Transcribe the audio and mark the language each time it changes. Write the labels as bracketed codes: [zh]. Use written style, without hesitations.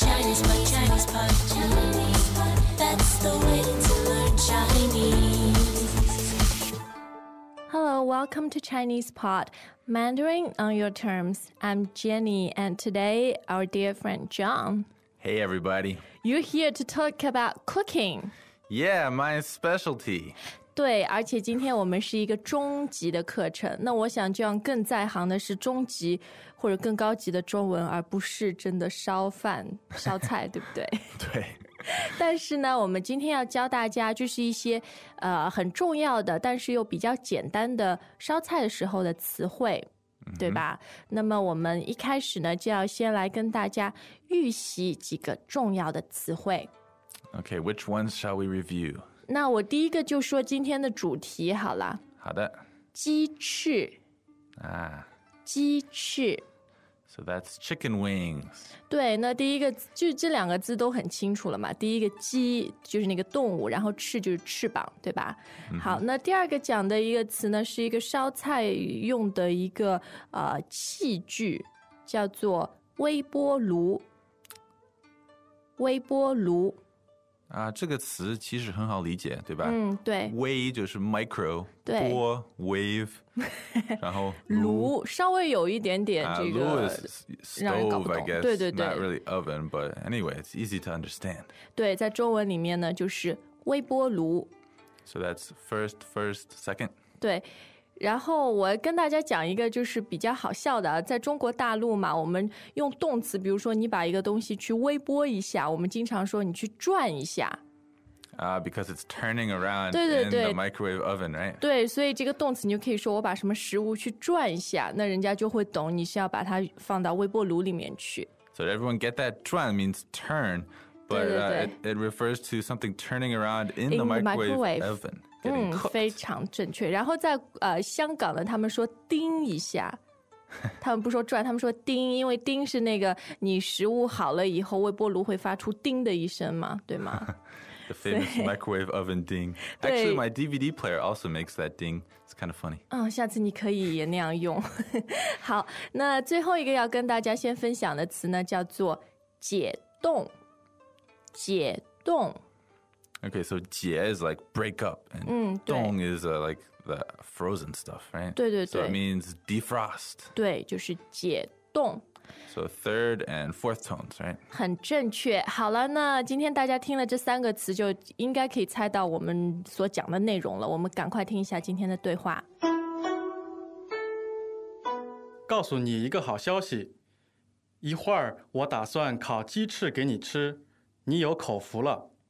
[en] Chinese pot, Chinese pot, Chinese pot. That's the way to learn Chinese. Hello, welcome to Chinese Pot. Mandarin on your terms. I'm Jenny, and today our dear friend John. Hey, everybody. You're here to talk about cooking. Yeah, my specialty. [zh] 对，而且今天我们是一个中级的课程。那我想这样更在行的是中级或者更高级的中文，而不是真的烧饭、烧菜，对不对？对。但是呢，我们今天要教大家就是一些很重要的，但是又比较简单的烧菜的时候的词汇。对吧？那么我们一开始呢，就要先来跟大家预习几个重要的词汇。 [en] Okay, which ones shall we review? [zh] 那我第一个就说今天的主题好了。好的。鸡翅。啊。鸡翅。 [en] So that's chicken wings. [zh] 对，那第一个就这两个字都很清楚了嘛。第一个鸡就是那个动物，然后翅就是翅膀，对吧？好，那第二个讲的一个词呢，是一个烧菜用的一个器具，叫做微波炉。微波炉。啊，这个词其实很好理解，对吧？嗯，对。微就是 micro，对，波 wave， 然后炉稍微有一点点这个， [en] 炉 is stove， I guess， [zh] 对对对 [en] ，not really oven， but anyway， it's easy to understand。 [zh] 对，在中文里面呢，就是微波炉。 [en] So that's first, second。 [zh] 对，然后我跟大家讲一个就是比较好笑的，在中国大陆嘛，我们用动词，比如说你把一个东西去微波一下，我们经常说你去转一下。 [en] Because it's turning around in the microwave oven, right? [zh] 对，所以这个动词你就可以说我把什么食物去转一下，那人家就会懂你是要把它放到微波炉里面去。 [en] So everyone get that, 转 means turn, but [zh] 对对对 [en] it refers to something turning around in the microwave oven. [zh] 非常正确。然后在香港呢，他们说叮一下，他们不说转，他们说叮，因为叮是那个你食物好了以后微波炉会发出叮的一声嘛，对吗？ [en] The famous microwave oven ding. Actually, my DVD player also makes that ding. It's kind of funny. [zh] 下次你可以也那样用。好，那最后一个要跟大家先分享的词呢，叫做解冻。解冻。 [en] Okay, so 解 is like break up, and 冻 is like the frozen stuff, right? [zh] 对对对。 [en] So it means defrost. [zh] 对，就是解冻。 [en] So third and fourth tones, right? [zh] 很正确。好了，那今天大家听了这三个词，就应该可以猜到我们所讲的内容了。我们赶快听一下今天的对话。告诉你一个好消息，一会儿我打算烤鸡翅给你吃，你有口福了。